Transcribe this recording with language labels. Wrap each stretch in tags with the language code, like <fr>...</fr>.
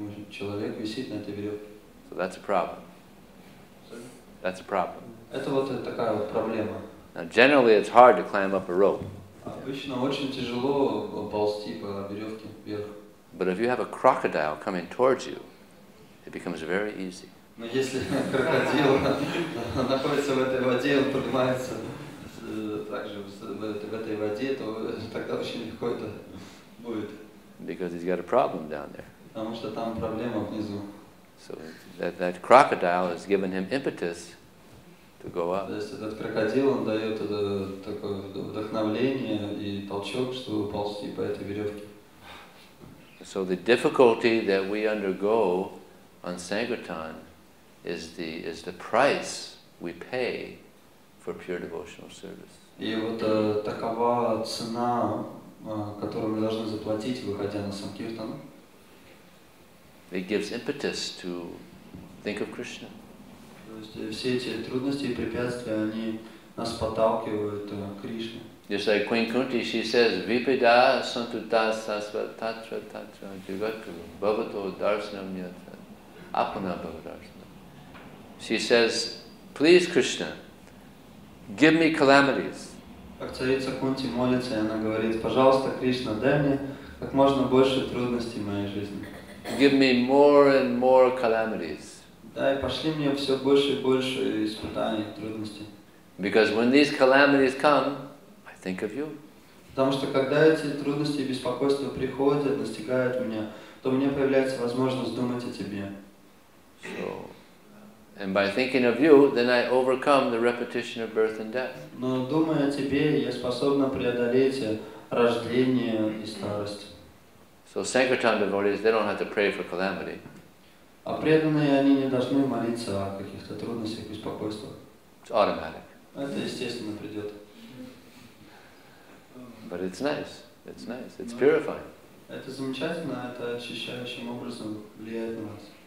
<ru>Человек висит на этой веревке.</ru> <en>So that's a problem. That's a problem.</en> <ru>Это вот такая вот проблема.</ru> <en>Now generally it's hard to climb up a rope.</en> <ru>Обычно очень тяжело ползти по веревке вверх.</ru> <en>But if you have a crocodile coming towards you, it becomes very easy.</en> <ru>Но если крокодил находится в этой воде, он поднимается также в этой воде, то тогда очень легко это будет.</ru> <en>Because he's got a problem down there.</en> <ru>Потому что там проблема внизу.</ru> <en>So that crocodile has given him impetus to go up.</en> <ru>То есть этот крокодил, он дает такое вдохновление и толчок, чтобы ползти по этой веревке.</ru> <en>So the difficulty that we undergo on Sankirtan is the price we pay for pure devotional service.</en> <ru>И вот такова цена, которую мы должны заплатить, выходя на Санкиртану.</ru> <en>It gives impetus to think of Krishna.</en> <ru>Все эти трудности и препятствия, они нас подталкивают к Кришне.</ru> <en>Just like Queen Kunti, she says,</en> <sa>Vipida santuta sasvatatra tatra jivatru bhavato darsanam yatra apana bhavadarsanam.</sa> <en>She says, please Krishna, give me calamities.</en> <ru>Как царица Кунти молится, и она говорит, пожалуйста, Кришна, дай мне как можно больше трудностей в моей жизни.</ru> <en>Give me more and more calamities.</en> <ru>Дай, пошли мне все больше и больше испытаний, трудностей.</ru> <en>Because when these calamities come, I think of you.</en> <ru>Потому что когда эти трудности и беспокойства приходят, настигают меня, то мне появляется возможность думать о тебе.</ru> <en>So, and by thinking of you, then I overcome the repetition of birth and death.</en> <ru>Но думая о тебе, я способна преодолеть рождение и старость.</ru> <en>So Sankirtan devotees, they don't have to pray for calamity.</en> <ru>А преданные, они не должны молиться о каких-то трудностях, беспокойствах.</ru> <en>It's automatic.</en> <ru>Это естественно придет.</ru> <en>But it's nice. It's nice. It's purifying.</en> <ru>Это замечательно. Это очищающим образом влияет на вас.</ru>